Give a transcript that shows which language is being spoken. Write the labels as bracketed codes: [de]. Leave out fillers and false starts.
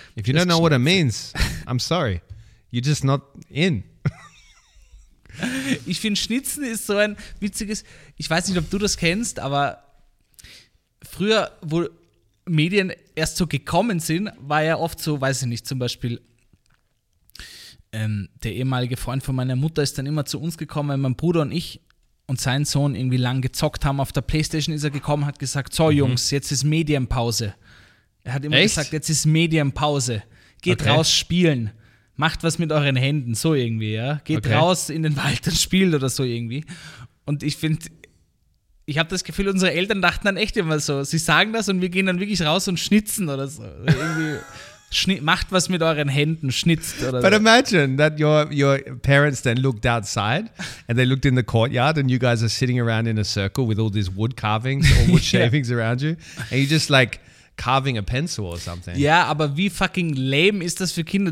[en] If you don't know what it means, I'm sorry. You're just not in. [de] Ich finde, schnitzen ist so ein witziges, ich weiß nicht, ob du das kennst, aber früher, wo Medien erst so gekommen sind, war ja oft so, weiß ich nicht, zum Beispiel der ehemalige Freund von meiner Mutter ist dann immer zu uns gekommen, wenn mein Bruder und ich und sein Sohn irgendwie lang gezockt haben auf der PlayStation, ist er gekommen, hat gesagt, so Jungs, jetzt ist Medienpause. Er hat immer gesagt, jetzt ist Medienpause. Geht raus spielen. Macht was mit euren Händen, so irgendwie, ja. Geht raus in den Wald und spielt oder so irgendwie. Und ich finde, ich habe das Gefühl, unsere Eltern dachten dann echt immer so, sie sagen das und wir gehen dann wirklich raus und schnitzen oder so. Irgendwie macht was mit euren Händen, schnitzt oder [en] but [de] so. [en] But imagine that your parents then looked outside and they looked in the courtyard and you guys are sitting around in a circle with all these wood carvings or wood shavings around you and you just like carving a pencil or something. [de] Ja, aber wie [en] fucking lame [de] ist das für Kinder?